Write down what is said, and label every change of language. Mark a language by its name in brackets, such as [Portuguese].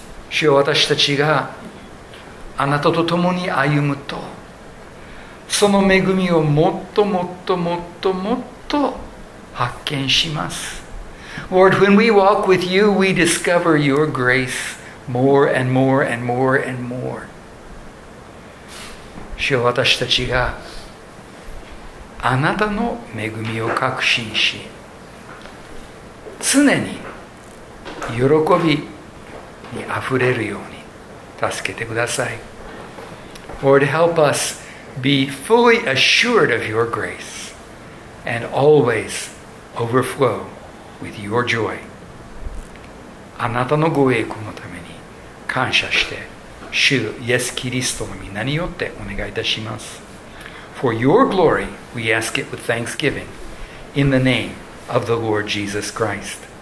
[Japanese] 主よ、私たちがあなたと共に歩むと、その恵みをもっともっともっともっと発見します。 [English] Lord, when we walk with you, we discover your grace more and more and more and more. [Japanese] 主よ、私たちがあなたの恵みを確信し、常に喜びにあふれるように助けてください。 [English] Lord, help us be fully assured of your grace and always overflow with your joy. [Japanese] あなたのご栄光のために感謝して、主イエスキリストの名によってお願いいたします。 [English] For your glory, we ask it with thanksgiving in the name of the Lord Jesus Christ.